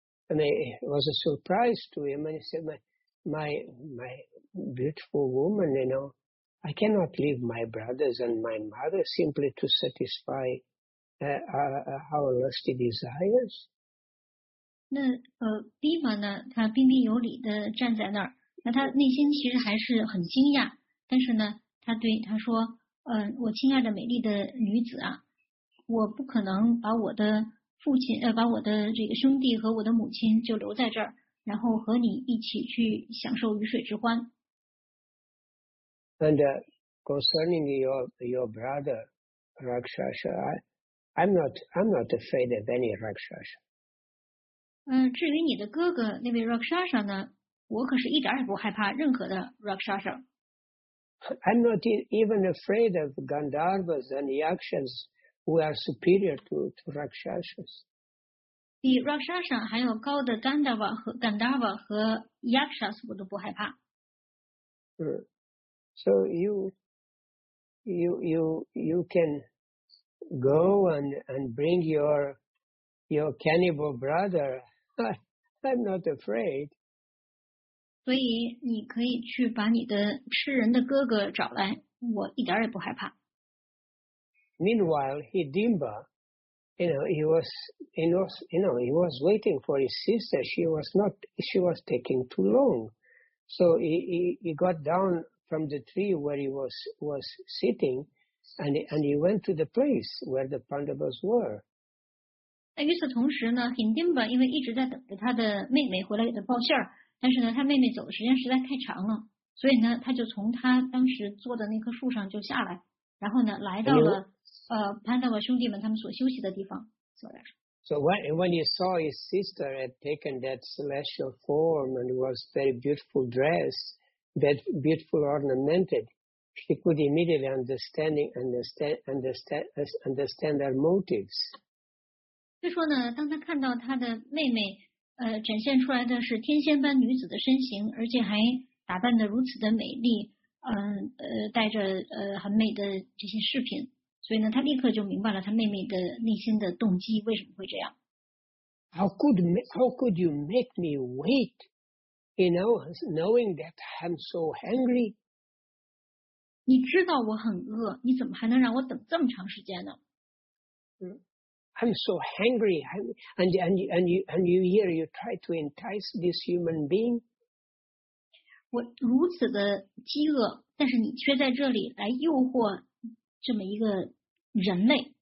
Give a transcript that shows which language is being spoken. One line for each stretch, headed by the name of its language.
English: And it was a surprise to him, and he said, my beautiful woman, you know, I cannot leave my brothers and my mother simply to satisfy our lusty desires.
Chinese: 那Bhima 呢，他彬彬有礼地站在那儿，那他内心其实还是很惊讶，但是呢，他说，我亲爱的美丽的女子啊，我不可能把我的父亲把我的这个兄弟和我的母亲就留在这儿，然后和你一起去享受鱼水之欢。
English: And concerning your brother Rakshasa, I'm not afraid of any Rakshasa.
Chinese: 至于你的哥哥那位 Rakshasa 呢，我可是一点也不害怕任何的 Rakshasa。
English: I'm not even afraid of Gandharvas and Yakshas. Who are superior to Rakshasas?
Chinese: 比 Rakshasa 还有高的 Gandhava 和 Gandhava 和 Yakshas 我都不害怕。
English: So you can go and bring your cannibal brother. I'm not afraid.
Chinese: 所以你可以去把你的吃人的哥哥找来，我一点也不害怕。
English: Meanwhile, Idhimba, he was waiting for his sister. She was taking too long, so he got down from the tree where he was sitting, and he went to the place where the Pandavas were.
Chinese: 那与此同时呢 ，Idhimba 因为一直在等着他的妹妹回来给他报信儿，但是呢，他妹妹走的时间实在太长了，所以呢，他就从他当时坐的那棵树上就下来，然后呢，来到了。 Pandava 兄弟们他们所休息的地方。
English: So when he saw his sister had taken that celestial form and was very beautiful dress, that beautiful ornamented, he could immediately understand their motives.
Chinese: 就说呢，当他看到他的妹妹，展现出来的是天仙般女子的身形，而且还打扮得如此的美丽，带着很美的这些饰品，所以呢，他立刻就明白了他妹妹的内心的动机为什么会这样。
English: How could you make me wait? You know, knowing that I'm so hungry.
Chinese: 你知道我很饿，你怎么还能让我等这么长时间呢？嗯。
English: I'm so hungry, and you here, you try to entice this human being.
Chinese: 我如此的饥饿，但是你却在这里来诱惑这么一个人类。